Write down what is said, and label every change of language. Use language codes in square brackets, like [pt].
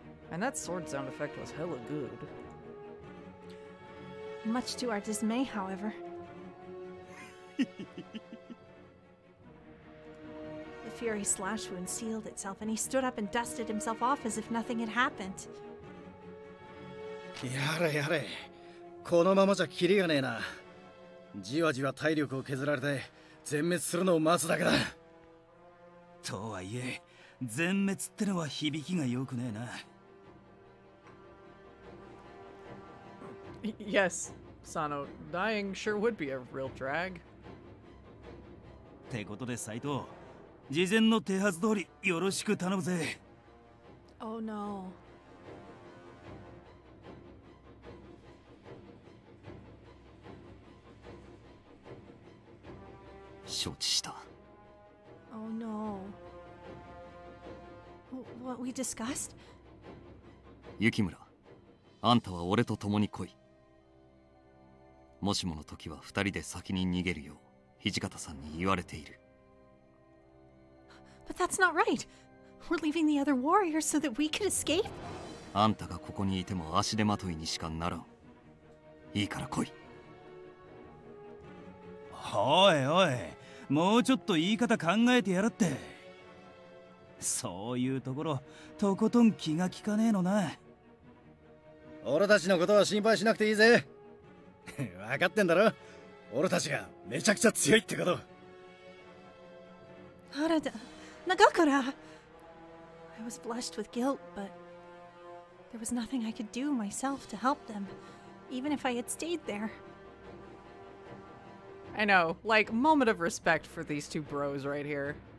[en] And that sword sound effect was hella good. Much to our dismay, however,The Fury slash wound sealed itself, and he stood up and dusted himself off as if nothing had happened. [ja] やれやれ、このままじゃキリがねえな。じわじわ体力を削られて全滅するのを待つだけだ。とはいえ、全滅ってのは響きが良くねえな。 [en] Yes, Sano, dying sure would be a real drag. [ja] ってことで、斉藤、事前の手はず通りよろしく頼むぜ。 [en] Oh no. [ja] 承知した。 [en] Oh no. What we discussed? [ja] 雪村、あんたは俺と共に来い。もしもの時は二人で先に逃げるよう土方さんに言われている。 [en] But that's not right. We're leaving the other warrior so that we could escape. [ja] あんたがここにいても足手まといにしかならん。いいから来い。おいおい、もうちょっと言い方考えてやるって。そういうところとことん気が利かねえのな。俺たちのことは心配しなくていいぜ。分かってんだろ、俺たちがめちゃくちゃ強いってこと。原田、長倉。 [en] I was blushed with guilt, but there was nothing I could do myself to help them, even if I had stayed there. I know, like, moment of respect for these two bros right here.